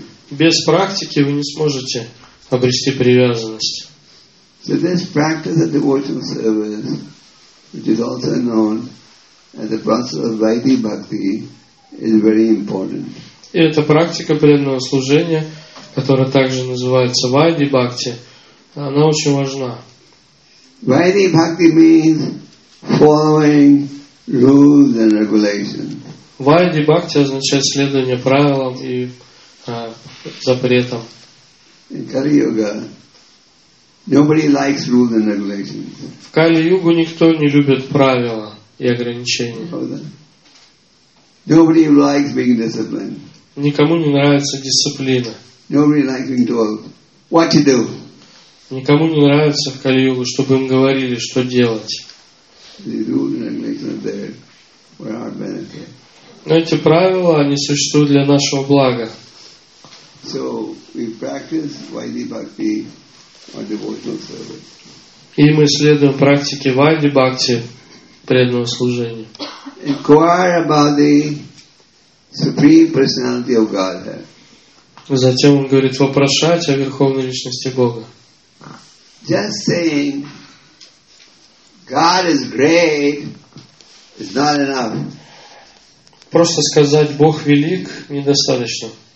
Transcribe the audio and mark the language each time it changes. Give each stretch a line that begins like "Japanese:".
Russian: Без практики вы не сможете обрести привязанность.
English: So this practice of devotional service, which is also known as the process of Vaidhi Bhakti, is very important.
Russian: И эта практика преданного служения, которая также называется Vaidhi Bhakti, она очень важна.
English: Vaidhi Bhakti means following rules and regulations.
Russian: Vaidhi Bhakti означает следование правилам и запретам.
English: In Kali Yuga, nobody likes rules and regulations.
Russian: В Кали-югу никто не любит правила и ограничения.
English: Nobody likes being disciplined.
Russian: Никому не нравится дисциплина.
English: Nobody likes being told what to do.
Russian: Никому не нравится в Кали-югу, чтобы им говорили, что делать.
English: The rules and regulations are there for our benefit.
Russian: Но эти правила, они существуют для нашего блага.
English: So we practice Vaidhi Bhakti or devotional service.
Russian: И мы следуем практике Vaidhi Bhakti, преданного служения.
English: Inquire about the Supreme Personality of Godhead.
Russian: Затем он говорит, вопрошать о Верховной Личности Бога.
English: Just saying God is great is not enough.
Russian: Просто сказать «Бог велик» недостаточно.